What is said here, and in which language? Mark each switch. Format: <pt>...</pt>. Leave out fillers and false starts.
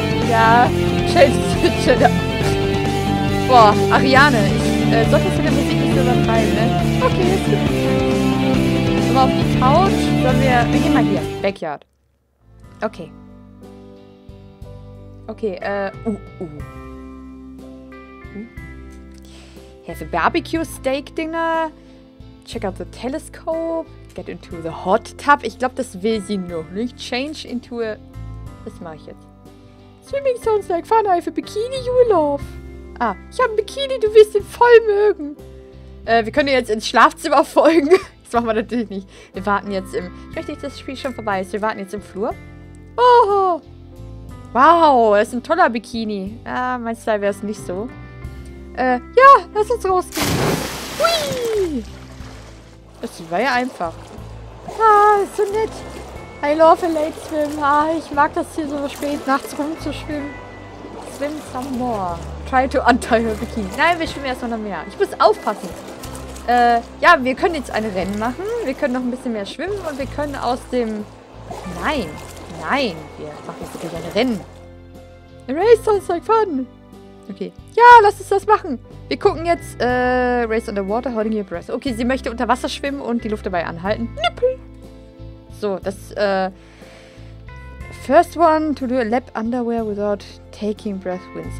<de>Ja, schön. Boah, Ariane, sollte ich mit der Musik nicht übertreiben, ne? Okay, jetzt geht's. Aber auf die Couch sollen wir... Wir gehen mal hier. Backyard. Okay.</de> <en>Okay, Here's a barbecue steak dinner. Check out the telescope. Get into the hot tub.</en> <de>Ich glaube, das will sie noch nicht.</de> <en>Change into a...</en> <de>Was mache ich jetzt?</de> <en>Swimming sounds like fun. I have a bikini you love.</en> <de>Ah, ich habe ein Bikini, du wirst ihn voll mögen. Wir können jetzt ins Schlafzimmer folgen. Das machen wir natürlich nicht. Wir warten jetzt im... Ich möchte nicht, dass das Spiel schon vorbei ist. Wir warten jetzt im Flur. Oh! Wow, das ist ein toller Bikini. Ah, mein Style wäre es nicht so. Ja, lass uns rausgehen. Hui! Das war ja einfach.</de> <en>Ah,</en> <de>ist so nett.</de> <en>I love a late swim.</en> <de>Ah, ich mag das hier so spät nachts rumzuschwimmen.</de> <en>Swim some more. Try to untie her bikini.</en> <de>Nein, wir schwimmen erstmal noch mehr. Ich muss aufpassen. Ja, wir können jetzt ein Rennen machen. Wir können noch ein bisschen mehr schwimmen und wir können aus dem... Nein, nein. Wir machen jetzt wirklich ein Rennen.</de> <en>A race sounds like fun. Okay.</en> <de>Ja, lass uns das machen. Wir gucken jetzt,</de> <en>race underwater, holding your breath.</en> <de>Okay, sie möchte unter Wasser schwimmen und die Luft dabei anhalten. Nippel.</de> <en>So, das, first one to do a lap underwear without taking breath wins.</en>